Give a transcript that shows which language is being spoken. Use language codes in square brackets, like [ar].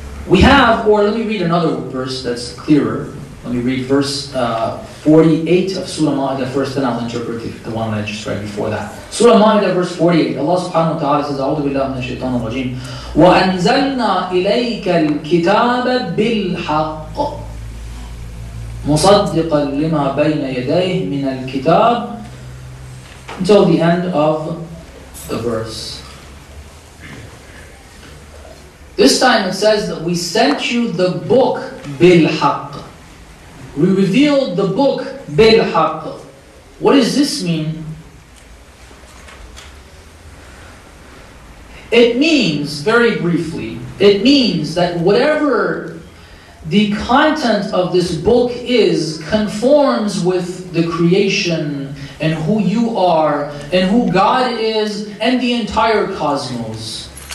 [en] We have, or let me read another verse that's clearer. Let me read verse 48 of Surah Ma'idah first, then I'll interpret the one that I just read before that. Surah Ma'idah verse 48. Allah subhanahu wa ta'ala says, [ar] A'udhu billahi minash shaitan al-rajim. وَأَنزَلْنَا إِلَيْكَ الْكِتَابَ بِالْحَقِّ مُصَدِّقًا لِمَا بَيْنَ يَدَيْهِ مِنَ الْكِتَابِ [en] until the end of the verse. This time it says that we sent you the book بِالْحَقِّ. We revealed the book بِالْحَقِّ. What does this mean? It means, very briefly, it means that whatever the content of this book is conforms with the creation and who you are and who God is and the entire cosmos.